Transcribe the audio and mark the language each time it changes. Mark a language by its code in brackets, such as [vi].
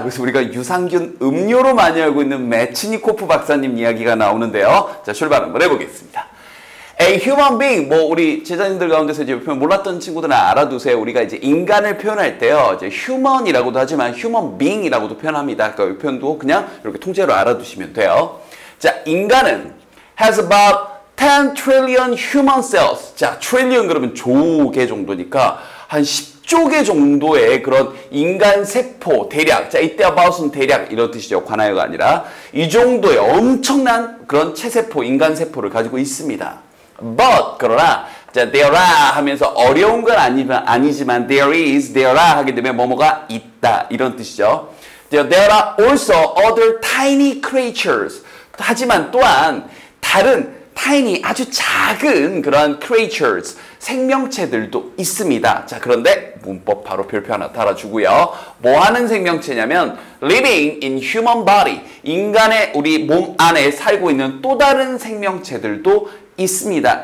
[ko] 그래서 우리가 유산균 음료로 많이 알고 있는 매치니코프 박사님 이야기가 나오는데요. 자, 출발 한번 해보겠습니다. [en] A human being, [ko] 뭐 우리 제자님들 가운데서 이제 몰랐던 친구들은 알아두세요. 우리가 이제 인간을 표현할 때요, 이제 human이라고도 하지만 human being이라고도 표현합니다. 그러니까 이 표현도 그냥 이렇게 통째로 알아두시면 돼요. 자, 인간은 [en] has about 10 trillion human cells. [ko] 자, trillion 그러면 조개 정도니까 한 10조개 정도의 그런 인간 세포 대략, 자 이때 about은 대략 이런 뜻이죠. 관하여가 아니라 이 정도의 엄청난 그런 체세포, 인간 세포를 가지고 있습니다. But 그러나 자 there are 하면서 어려운 건 아니면 아니지만 [en] there is, there are [ko] 하게 되면 뭐뭐가 있다 이런 뜻이죠. [en] There are also other tiny creatures. [ko] 하지만 또한 다른 tiny 아주 작은 그런 creatures 생명체들도 있습니다. 자 그런데 문법 바로 별표 하나 달아주고요. 뭐 하는 생명체냐면 [en] living in human body [ko] 인간의 우리 몸 안에 살고 있는 또 다른 생명체들도 있습니다.